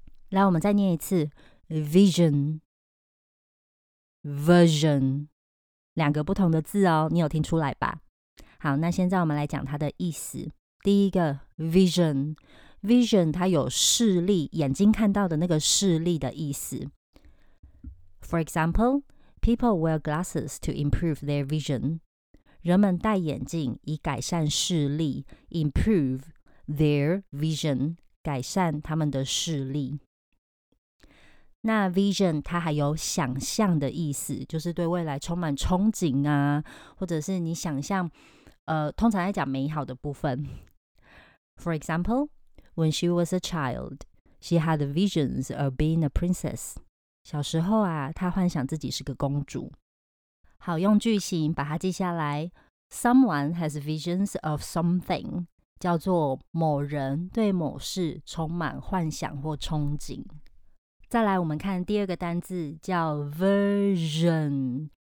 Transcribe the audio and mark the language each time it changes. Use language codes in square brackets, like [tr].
[zh] 来，我们再念一次 vision version， 两个不同的字哦，你有听出来吧？好，那现在我们来讲它的意思。第一个 vision， vision 它有视力，眼睛看到的那个视力的意思。 [en] For example，People wear glasses to improve their vision. [zh] 人们戴眼镜以改善视力。 [en] Improve their vision， [zh] 改善他们的视力。那 vision 它还有想象的意思，就是对未来充满憧憬啊，或者是你想象，通常在讲美好的部分。 [en] For example, when she was a child, she had visions of being a princess. [zh] 小时候啊，她幻想自己是个公主。好，用句型把它记下来。 [en] Someone has visions of something， [zh] 叫做某人对某事充满幻想或憧憬。再来，我们看第二个单字叫 version。